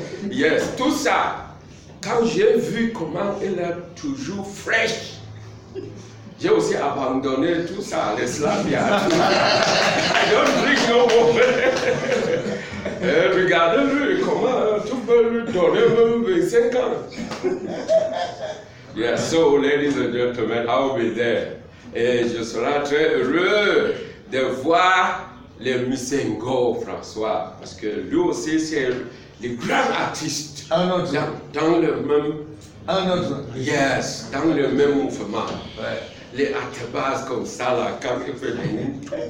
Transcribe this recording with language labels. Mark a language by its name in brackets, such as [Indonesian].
[French] Yes, tout ça. Quand j'ai vu comment elle est toujours fraîche, j'ai aussi abandonné tout ça, les Slavia. [English] I don't drink no water. [French] Regardez-lui comment tu peux lui donner même 25 ans. [English] Yes, so ladies and gentlemen, I will be there. [French] Et je serai très heureux de voir le Missengo François, parce que lui aussi c'est le grand artiste. Un autre. Dans le même. Un autre. Yes, dans le même mouvement. Ouais. Les atabas comme ça là, quand il fait boum.